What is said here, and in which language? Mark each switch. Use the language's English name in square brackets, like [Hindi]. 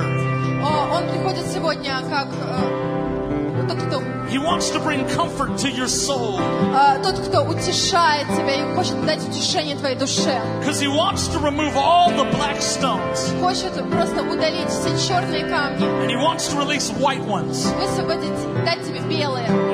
[Russian] Он приходит сегодня как тот, кто [English] He wants to bring comfort to your soul. [Russian] Тот, кто утешает тебя и хочет дать утешение твоей душе. [English] Because he wants to remove all the black stones. [Russian] Хочет просто удалить все черные камни. [English] And he wants to release white ones. [Russian] Высвободить, дать тебе белые.